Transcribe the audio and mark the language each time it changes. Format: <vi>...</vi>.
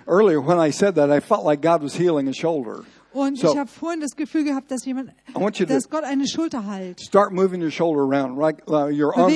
<en>Earlier when I said that, I felt like God was healing a shoulder.</en> <de>Und so, ich habe vorhin das Gefühl gehabt, dass jemand, dass Gott eine Schulter heilt.</de> <en>Start moving your shoulder around, right, your arm around.</en>